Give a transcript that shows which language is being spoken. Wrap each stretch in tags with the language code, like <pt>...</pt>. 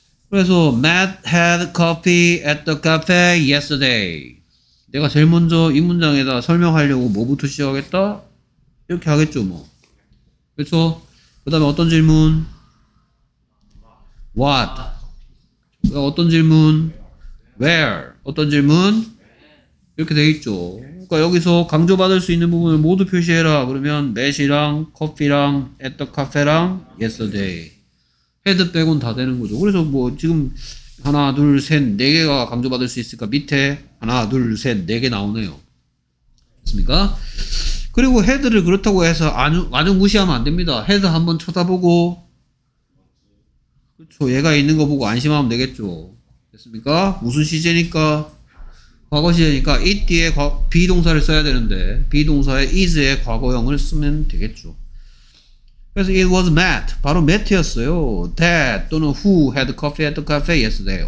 <en>그래서 Matt had coffee at the cafe yesterday.</en> <ko>내가 제일 먼저 이 문장에다 설명하려고 뭐부터 시작하겠다? 이렇게 하겠죠 뭐. 그렇죠? 그 다음에 어떤 질문? What? 어떤 질문? Where? 어떤 질문? 이렇게 되어있죠. 그러니까 여기서 강조받을 수 있는 부분을 모두 표시해라. 그러면 Matt이랑 커피랑 at the cafe랑 yesterday 헤드 빼곤 다 되는 거죠. 그래서 뭐 지금 하나, 둘, 셋, 네 개가 강조받을 수 있을까? 밑에 하나, 둘, 셋, 네 개 나오네요. 맞습니까? 그리고 헤드를 그렇다고 해서 아주 무시하면 안 됩니다. 헤드 한번 쳐다보고, 그렇죠. 얘가 있는 거 보고 안심하면 되겠죠. 됐습니까? 무슨 시제니까? 과거 시제니까 it 뒤에 비동사를 써야 되는데 비동사에 is의 과거형을 쓰면 되겠죠. 그래서</ko> <en>it was Matt.</en> <ko>바로 Matt였어요.</ko> <en>That 또는 who had coffee at the cafe yesterday.</en>